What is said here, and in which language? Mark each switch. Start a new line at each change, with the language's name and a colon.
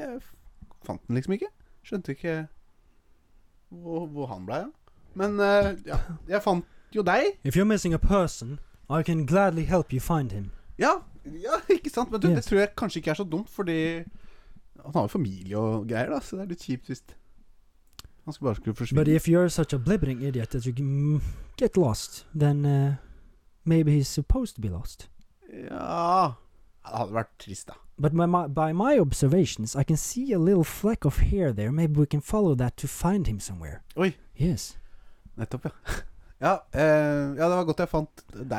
Norwegian: Jeg fant den liksom ikke. Skjønte ikke hvor han ble. Men ja, jeg fant jo deg.
English: If you're missing a person, I can gladly help you find him.
Norwegian: Ja, ja, ikke sant? Men du, det tror jeg kanskje ikke er så dumt, fordi han har jo familie og greier da. Så det litt kjipt hvis han skal bare skulle forsvinne.
English: But if you're such a blibbering idiot that you get lost, then... Maybe he's supposed to be lost.
Norwegian: Yeah, det hadde vært trist da.
English: But by my observations, I can see a little fleck of hair there. Maybe we can follow that to find him somewhere. Oi. Yes.
Norwegian: Nettopp, ja. Ja, det var godt jeg fant deg.